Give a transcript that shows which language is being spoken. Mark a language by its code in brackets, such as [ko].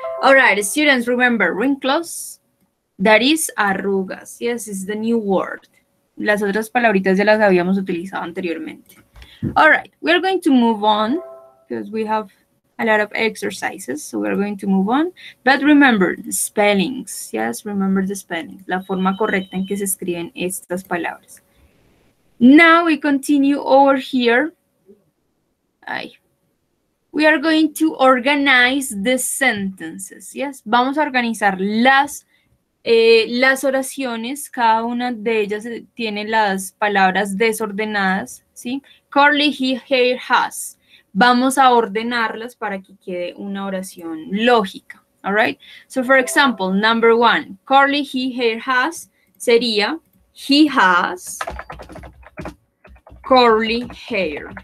[en] All right, students, remember, wrinkles, that is arrugas. Yes, it's the new word. [es] Las otras palabritas ya las habíamos utilizado anteriormente. [en] All right, we are going to move on because we have a lot of exercises, so we are going to move on. But remember, the spellings. Yes, remember the spellings. [es] La forma correcta en que se escriben estas palabras. [en] Now we continue over here. We are going to organize the sentences, yes? [es] Vamos a organizar las oraciones. Cada una de ellas tiene las palabras desordenadas, ¿sí? [en] Curly, he, her, has. [es] Vamos a ordenarlas para que quede una oración lógica, [en] all right? So, for example, number one, curly, he, her, has sería he has curly hair.